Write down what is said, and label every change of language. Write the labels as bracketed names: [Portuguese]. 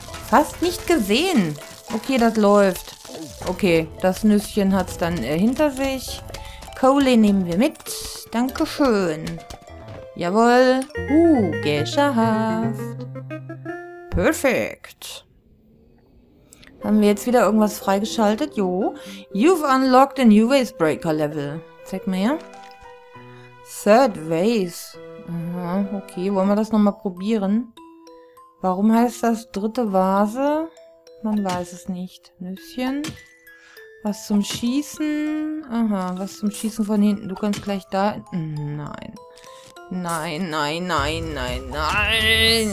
[German] Fast nicht gesehen. Okay, das läuft. Okay, das Nüsschen hat es dann hinter sich. Kohle nehmen wir mit. Dankeschön. Jawohl. Geschafft. Perfekt. Haben wir jetzt wieder irgendwas freigeschaltet? Jo. [English] You've unlocked a new Vasebreaker level. [German] Zeig mal her. Third Vase. Okay, wollen wir das nochmal probieren? Warum heißt das dritte Vase? Man weiß es nicht. Nüsschen. Was zum Schießen. Aha, was zum Schießen von hinten. Du kannst gleich da... Nein. Nein, nein, nein, nein, nein.